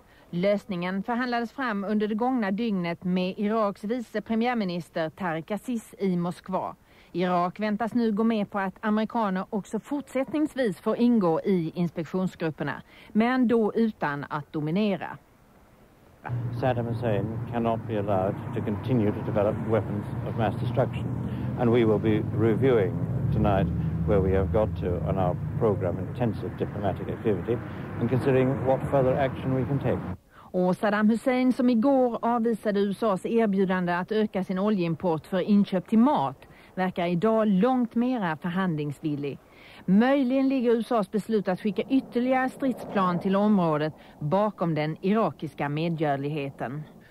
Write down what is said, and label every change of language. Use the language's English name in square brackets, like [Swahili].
[Swedish] Lösningen förhandlades fram under det gångna dygnet med Iraks vice premiärminister Tariq Aziz i Moskva. Irak väntas nu gå med på att amerikaner också fortsättningsvis får ingå i inspektionsgrupperna, men då utan att dominera. [English] Saddam Hussein cannot be allowed to continue to develop weapons of mass destruction, and we will be reviewing tonight where we have got to on our program intensive diplomatic activity and considering what further action we can take. [Swedish] Och Saddam Hussein, som igår avvisade USAs erbjudande att öka sin oljeimport för inköp till mat, verkar idag långt mera förhandlingsvillig. Möjligen ligger USAs beslut att skicka ytterligare stridsplan till området bakom den irakiska medgörligheten.